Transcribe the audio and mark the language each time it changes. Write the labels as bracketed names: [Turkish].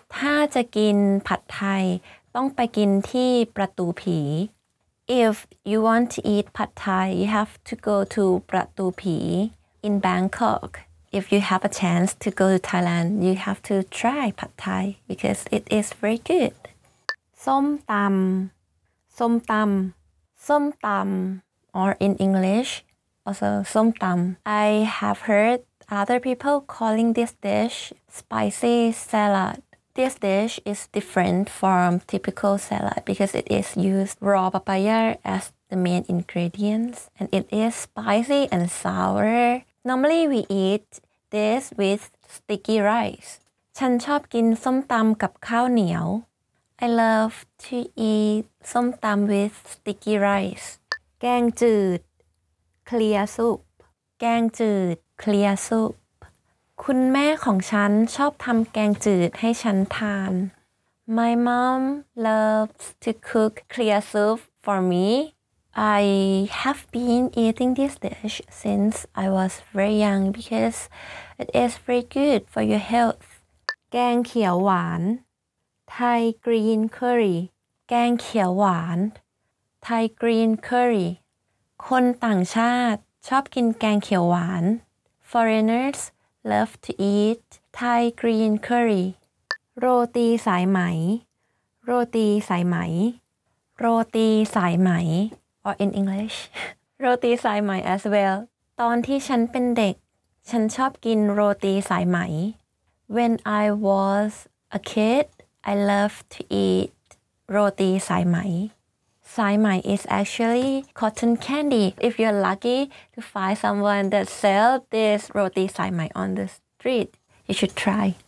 [Thai] ถ้าจะกินผัดไทยต้องไปกินที่ประตูผี [English] If you want to eat Pad Thai, you have to go to ประตูผี in Bangkok. If you have a chance to go to Thailand, you have to try Pad Thai because it is very good. [Thai] ส้มตำส้มตำ [English] ส้มตำ or in EnglishAlso, som tam. I have heard other people calling this dish spicy salad. This dish is different from typical salad because it is used raw papaya as the main ingredients. And it is spicy and sour. Normally, we eat this with sticky rice. [Thai] ฉันชอบกิน som tam กับข้าวเหนียว [English] I love to eat som tam with sticky rice. แกงจืดClear soup. แกงจืด Clear soup. [Thai] คุณแม่ของฉันชอบทำแกงจืดให้ฉันทาน [English] My mom loves to cook clear soup for me. I have been eating this dish since I was very young because it is very good for your health. แกงเขียวหวาน Thai green curry. แกงเขียวหวาน Thai green curry [Thai] คนต่างชาติชอบกินแกงเขียวหวาน [English] Foreigners love to eat Thai green curry. [Thai] โรตีสายไหมโรตีสายไหม [English] โรตีสายไหม or in English โรตีสายไหม as well. [Thai] ตอนที่ฉันเป็นเด็กฉันชอบกินโรตีสายไหม [English] When I was a kid, I loved to eat โรตีสายไหมSai mai is actually cotton candy. If you're lucky to find someone that sells this roti sai mai on the street, you should try.